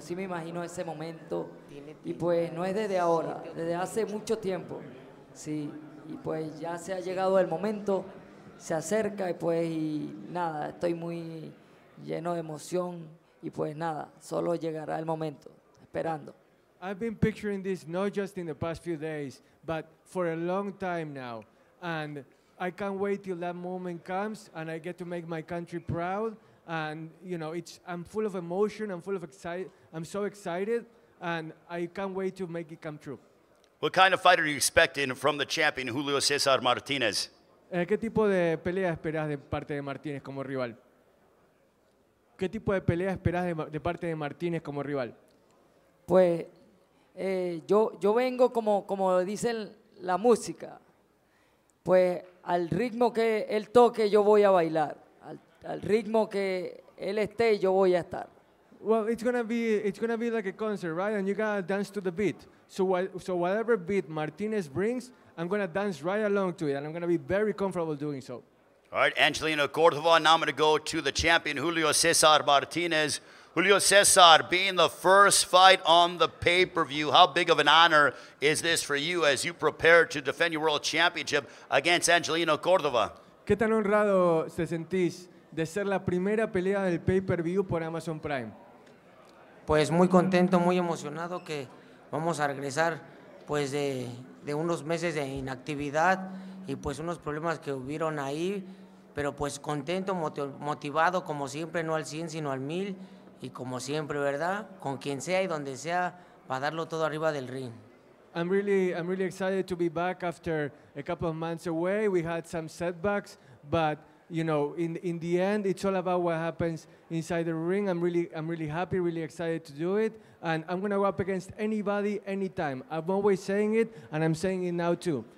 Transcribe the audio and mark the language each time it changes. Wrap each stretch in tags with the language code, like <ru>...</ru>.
<es>Sí me imagino ese momento. Y pues no es desde ahora, desde hace mucho tiempo. Sí, y pues ya se ha llegado el momento, se acerca y pues y nada, estoy muy lleno de emoción y pues nada, solo llegará el momento, esperando.</es> <en>I've been picturing this not just in the past few days, but for a long time now. And I can't wait till that moment comes and I get to make my country proud. And, you know, I'm full of emotion, I'm full of excitement, I'm so excited. And I can't wait to make it come true. What kind of fighter are you expecting from the champion Julio Cesar Martinez?</en> <es>¿Qué tipo de pelea esperas de parte de Martinez como rival? ¿Qué tipo de pelea esperas de parte de Martinez como rival? Pues yo vengo como dicen la música. Pues al ritmo que él toque yo voy a bailar. Al ritmo que él esté yo voy a estar.</es> <en>Well, it's gonna be like a concert, right? And you gotta dance to the beat. So whatever beat Martinez brings, I'm gonna dance right along to it, and I'm gonna be very comfortable doing so. All right, Angelino Cordova. Now I'm gonna go to the champion, Julio Cesar Martinez. Julio Cesar, being the first fight on the pay-per-view, how big of an honor is this for you as you prepare to defend your world championship against Angelino Cordova?</en> <es>¿Qué tan honrado se sentís de ser la primera pelea del pay-per-view por Amazon Prime? Pues muy contento, muy emocionado que vamos a regresar pues de unos meses de inactividad y pues unos problemas que hubieron ahí, pero pues contento, motivado como siempre, no al 100 sino al 1000 y como siempre, ¿verdad? Con quien sea y donde sea para darlo todo arriba del ring.</es> <en>I'm really excited to be back after a couple of months away. We had some setbacks, but you know, in the end, it's all about what happens inside the ring. I'm really happy, really excited to do it. And I'm going to go up against anybody, anytime. I'm always saying it, and I'm saying it now, too.</en>